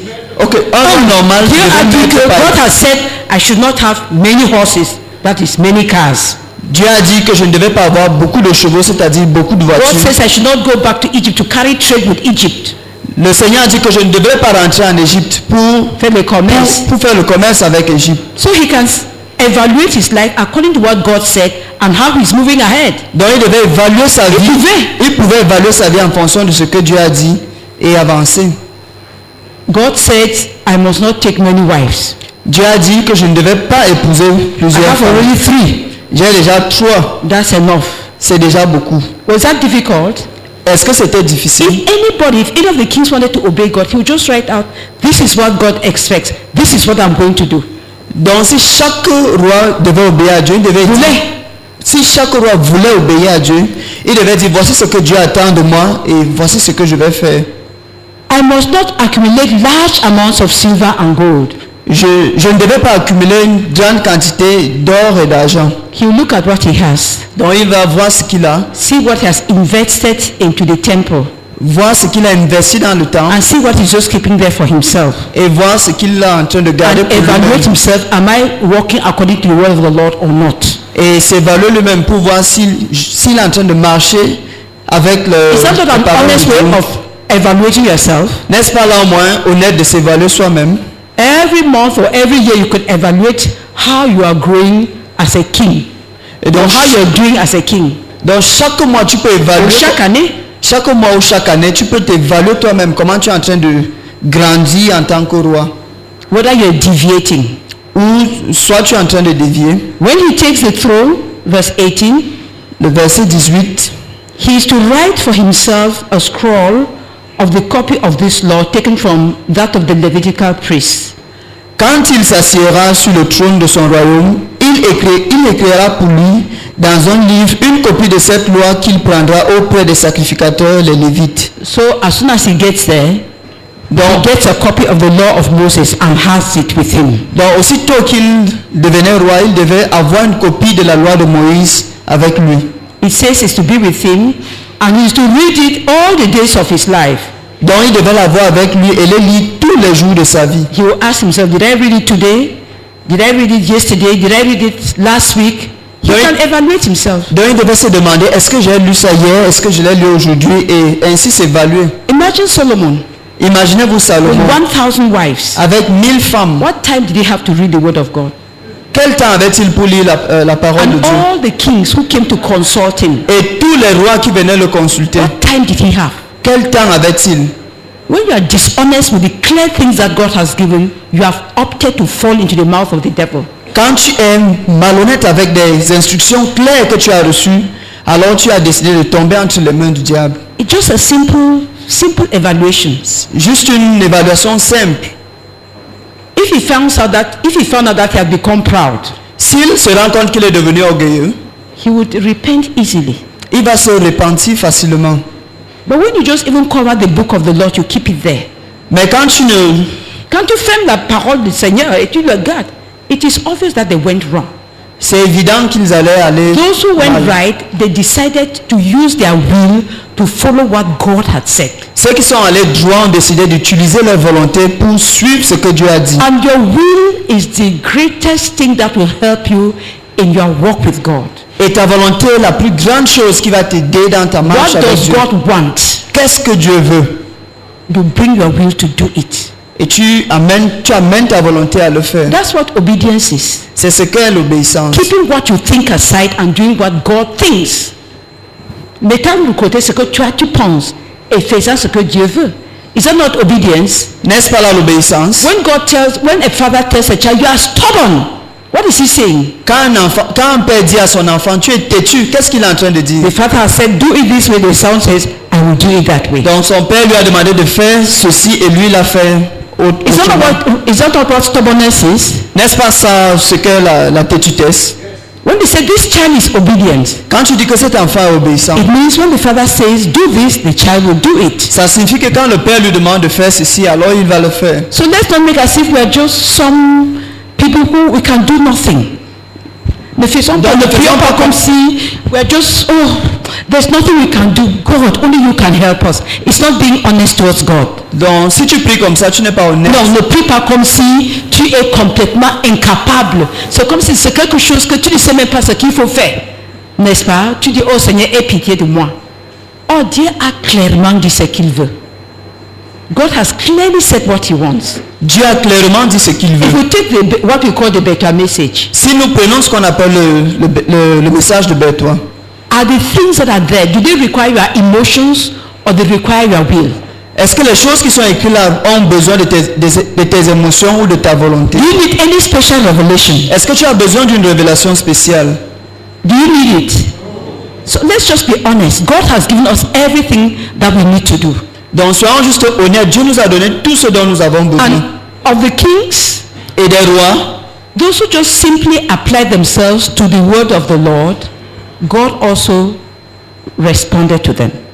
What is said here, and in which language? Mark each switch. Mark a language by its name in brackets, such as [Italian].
[English] God has said I should not have many horses, that is many cars. [French] Dieu a dit que je ne devais pas avoir beaucoup de chevaux, c'est-à-dire beaucoup de voitures. [English] God says I should not go back to Egypt to carry trade with Egypt. [French] Le Seigneur a dit que je ne devais pas rentrer en Égypte pour faire le commerce, pour faire le commerce avec Égypte. [English] So he can evaluate his life according to what God said and how he's moving ahead. [French] Donc il devait évaluer sa vie. Il pouvait évaluer sa vie en fonction de ce que Dieu a dit et avancer. [English] God said I must not take many wives. [French] Dieu a dit que je ne devais pas épouser plusieurs femmes. [English] I have already three. [French] J'ai déjà trois. [English] That's enough. [French] C'est déjà beaucoup. [English] Was that difficult? [French] Est-ce que c'était difficile? [English] If any of the kings wanted to obey God, he would just write out, this is what God expects. This is what I'm going to do. [French] Donc si chaque roi devait obéir à Dieu, il devait dire, si chaque roi voulait obéir à Dieu, il devait dire, voici ce que Dieu attend de moi et voici ce que je vais faire. [English] I must not accumulate large amounts of silver and gold. [French] Je ne devais pas accumuler une grande quantité d'or et d'argent. [English] He'll look at what he has. [French] Donc il va voir ce qu'il a. [English] See what he has invested into the temple. [French] Voir ce qu'il a investi dans le temple. [English] And see what he's just keeping there for himself. [French] Et voir ce qu'il a en train de garder [English] and [French] pour lui-même. [English] Himself, am I walking according to the word of the Lord or not? [French] Et s'évaluer lui-même pour voir s'il est en train de marcher avec le. [English] Is that not an honest way of evaluating yourself? [French] N'est-ce pas là au moins honnête de s'évaluer soi-même? [English] Every month or every year, you could evaluate how you are growing as a king. [French] Et donc, [English] how you're doing as a king. [French] Donc chaque mois, tu peux évaluer. Ou chaque année. Chaque mois ou chaque année, tu peux t'évaluer toi-même. Comment tu es en train de grandir en tant que roi. [English] Whether you're deviating. [French] Ou soit tu es en train de dévier. [English] When he takes the throne, verse 18. [French] Le verset 18. [English] He is to write for himself a scroll of the copy of this law taken from that of the Levitical priest. [French] Quand il s'assiera sur le trône de son royaume, il écrira pour lui dans un livre une copie de cette loi qu'il prendra auprès des sacrificateurs, les Lévites. [English] So as soon as he gets there, [French] donc, [English] he gets a copy of the law of Moses and has it with him. [French] Donc aussitôt qu'il devenait roi, il devait avoir une copie de la loi de Moïse avec lui. [English] It says it's to be with him. And he is to read it all the days of his life. [French] Donc il devait l'avoir avec lui et le lire tous les jours de sa vie. [English] He will ask himself, did I read it today? Did I read it yesterday? Did I read it last week? He can evaluate himself. [French] Donc il devait se demander, est-ce que j'ai lu ça hier? Est-ce que je l'ai lu aujourd'hui? Et ainsi s'évaluer. [English] Imagine Solomon. [French] Imaginez-vous Salomon. [English] With 1,000 wives. [French] Avec 1,000 femmes. [English] What time did he have to read the word of God? [French] Quel temps avait-il pour lire la parole [English] and [French] de Dieu? [English] All the kings who came to consult him, [French] et tous les rois qui venaient le consulter. [English] What time did he have? [French] Quel temps avait-il? [English] When you are dishonest with the clear things that God has given, you have opted to fall into the mouth of the devil. [French] Quand tu es malhonnête avec des instructions claires que tu as reçues, alors tu as décidé de tomber entre les mains du diable. [English] It's just a simple evaluation. [French] Juste une évaluation simple. [English] If he found out that he had become proud, [French] s'il se rend compte qu'il est devenu orgueilleux, [English] he would repent easily. [French] Il va se repentir facilement. [English] But when you just even cover the book of the Lord, you keep it there. [French] Mais quand tu ne, quand tu fermes la parole du Seigneur et tu le gardes, [English] it is obvious that they went wrong. [French] C'est évident qu'ils allaient aller. [English] Those who went right, they decided to use their will to follow what God had said. [French] Ceux qui sont allés droit ont décidé d'utiliser leur volonté pour suivre ce que Dieu a dit. [English] And your will is the greatest thing that will help you in your walk with God. [French] Et ta volonté est la plus grande chose qui va t'aider dans ta marche avec Dieu. [English] What does God want? [French] Qu'est-ce que Dieu veut? [English] You bring your will to do it. [French] Et tu amènes ta volonté à le faire. [English] That's what obedience is. [French] C'est ce qu'est l'obéissance. [English] Keeping what you think aside and doing what God thinks. [French] Mettant de côté ce que toi tu penses et faisant ce que Dieu veut. [English] Is that not obedience? [French] N'est-ce pas là l'obéissance? [English] When a father tells a child, you are stubborn. What is he saying? [French] Quand un père dit à son enfant, tu es têtu, qu'est-ce qu'il est en train de dire? [English] The father has said, do it this way. The son says, I will do it that way. [French] Donc son père lui a demandé de faire ceci et lui l'a fait. [English] Is that what stubbornness is? [French] N'est-ce pas ça ce que la têtutesse? [English] When they say this child is obedient, [French] quand tu dis que cet enfant est obéissant, [English] it means when the father says do this, the child will do it. [French] Ça signifie que quand le père lui demande de faire ceci, alors il va le faire. [English] So let's not make as if we are just some people who we can do nothing. [French] Ne faisons pas, ne prions pas comme si [English] we are just there's nothing we can do. God, only you can help us. It's not being honest towards God. [French] Donc, si tu pries comme ça, tu n'es pas honnête. Non, ne prie pas comme si tu es complètement incapable. C'est comme si c'est quelque chose que tu ne sais même pas ce qu'il faut faire. N'est-ce pas? Tu dis, oh Seigneur, aie pitié de moi. Oh, Dieu a clairement dit ce qu'il veut. [English] God has clearly said what he wants. [French] Dieu a clairement dit ce qu'il veut. [English] If we take what we call the Betoa message. [French] Si nous prenons ce qu'on appelle le message de Betoa. [English] Are the things that are there, do they require your emotions or they require your will? [French] Est-ce que les choses qui sont écrites là ont besoin de tes émotions ou de ta volonté? [English] Do you need any special revelation? [French] Est-ce que tu as besoin d'une révélation spéciale? [English] Do you need it? So let's just be honest. God has given us everything that we need to do. [French] Donc soyons juste honnêtes. Dieu nous a donné tout ce dont nous avons besoin. [English] And of the kings, [French] et des rois, [English] those who just simply apply themselves to the word of the Lord, God also responded to them.